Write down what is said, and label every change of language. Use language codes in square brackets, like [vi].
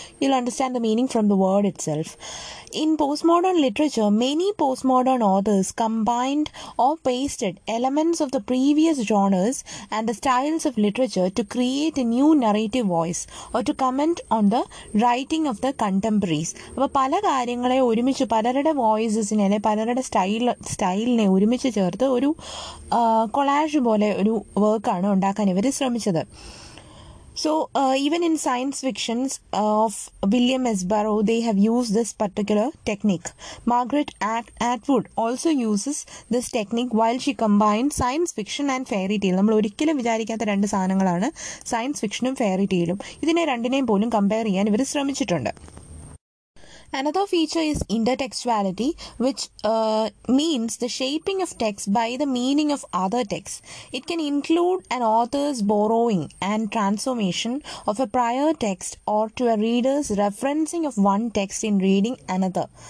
[en] You'll understand the meaning from the word itself. In postmodern literature, many postmodern authors combined or pasted elements of the previous genres and the styles of literature to create a new narrative voice or to comment on the writing of the contemporaries. [ml] അപ്പോൾ പല കാര്യങ്ങളെ ഒരുമിച്ച് പലരുടെ വോയിസസിനെ അല്ലെങ്കിൽ പലരുടെ സ്റ്റൈലിനെ ഒരുമിച്ച് ചേർത്ത് ഒരു കൊളാഷ് പോലെ ഒരു വർക്കാണ് ഉണ്ടാക്കാൻ ഇവർ ശ്രമിച്ചത്. [en] So even in science fictions of William S. Burroughs, they have used this particular technique. Margaret Atwood also uses this technique while she combines science fiction and fairy tale. [ml] നമ്മൾ ഒരിക്കലും വിചാരിക്കാത്ത രണ്ട് സാധനങ്ങളാണ് സയൻസ് ഫിക്ഷനും ഫെയറി ടെയിലും. ഇതിനെ രണ്ടിനെയും പോലും compare ചെയ്യാൻ ഇവർ ശ്രമിച്ചിട്ടുണ്ട്. [en] Another feature is intertextuality, which means the shaping of text by the meaning of other texts. It can include an author's borrowing and transformation of a prior text or to a reader's referencing of one text in reading another.